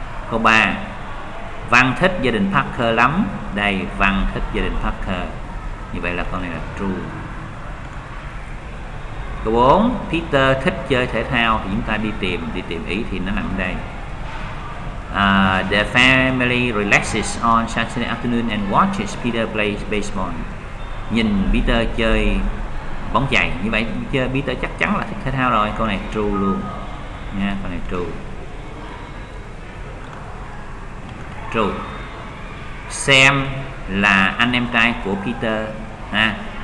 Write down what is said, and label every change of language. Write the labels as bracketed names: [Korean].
[Vietnamese] Câu 3, Văn thích gia đình Parker lắm, đây Văn thích gia đình Parker, như vậy là câu này là true. Câu 4, Peter thích chơi thể thao, thì chúng ta đi tìm ý, thì nó nằm ở đây. [English] The family relaxes on Saturday afternoon and watches Peter play baseball. [Vietnamese] Nhìn Peter chơi bóng chày, như vậy chơi Peter chắc chắn là thích thể thao rồi, câu này true luôn nha, câu này true. True. Sam là anh em trai của Peter ha.